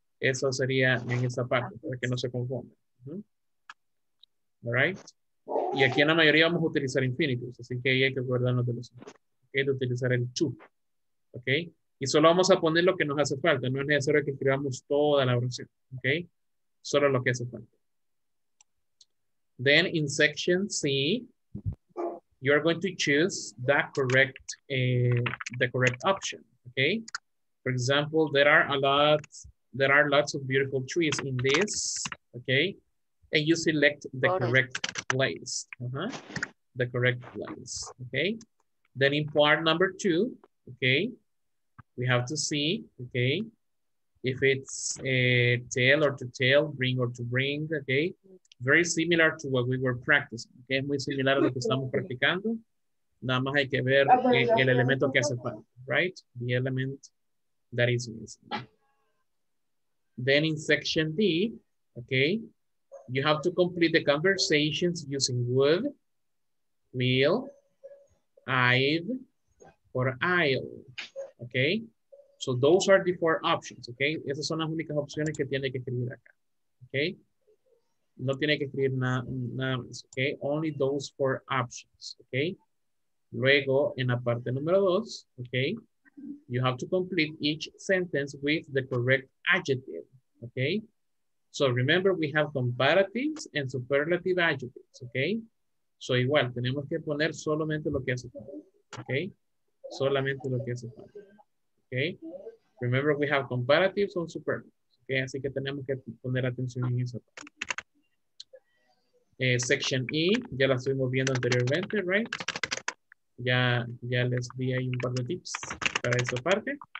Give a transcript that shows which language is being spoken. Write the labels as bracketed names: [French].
[Spanish] Eso sería en esa parte, para que no se confunda. All right. Y aquí en la mayoría vamos a utilizar infinitives, así que ahí hay que acordarnos de los okay, de utilizar el to. Ok. Y solo vamos a poner lo que nos hace falta. No es necesario que escribamos toda la oración. Ok. Solo lo que hace falta. [English] Then in section C, you are going to choose that correct, the correct option. Ok. For example, there are lots of beautiful trees in this. Ok. And you select the correct place, the correct place, okay? Then in part number two, okay, we have to see, okay, if it's a tail or to tail, bring or to bring, okay? Very similar to what we were practicing, okay? [Spanish] Muy similar a lo que estamos practicando. Nada más hay que ver el elemento que hace falta, right? [English] The element that is missing. Then in section D, okay, you have to complete the conversations using would, will, I'd, or I'll, okay? So those are the four options, okay? [Spanish] Esas son las únicas opciones que tiene que escribir acá, okay? No tiene que escribir nada más, okay? [English] Only those four options, okay? [Spanish] Luego, en la parte número dos, okay? [English] You have to complete each sentence with the correct adjective, okay? So remember, we have comparatives and superlative adjectives, okay? [Spanish] So igual, tenemos que poner solamente lo que hace falta, okay? Solamente lo que hace falta, okay? [English] Remember, we have comparatives and superlatives, okay? [Spanish] Así que tenemos que poner atención en eso. Section E, ya la estuvimos viendo anteriormente, right? Ya les di ahí un par de tips para esa parte.